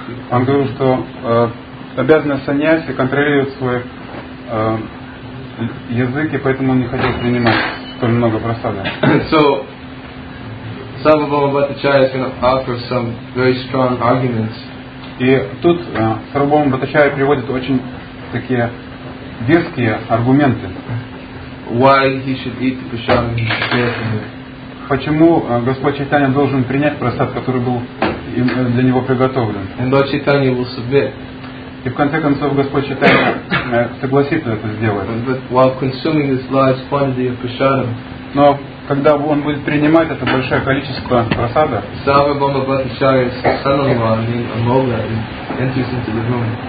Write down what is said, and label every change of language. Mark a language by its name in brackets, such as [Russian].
[Russian] Он говорил, что обязанность саньяси контролирует свой язык, и поэтому он не хотел принимать столь много прасада. [English] So, Sarvabhauma Bhattacharya is going to offer some very strong arguments. [Russian] И тут Сарвабхауму Бхаттачарья приводит очень такие веские аргументы. [English] Why he should eat the prasadam and prepare for him? [Russian] Почему Господь Чайтанья должен принять прасад, который был для него приготовлен? [English] And Lord Chaitanya will submit. [Russian] И в конце концов Господь Чайтанья согласится это сделать. [English] But while consuming this large quantity of prasadam, [Russian] но когда он будет принимать это большое количество прасада, [English] Sarvabhauma Bhattacharya's son-in-law, named Amoga, enters into the room.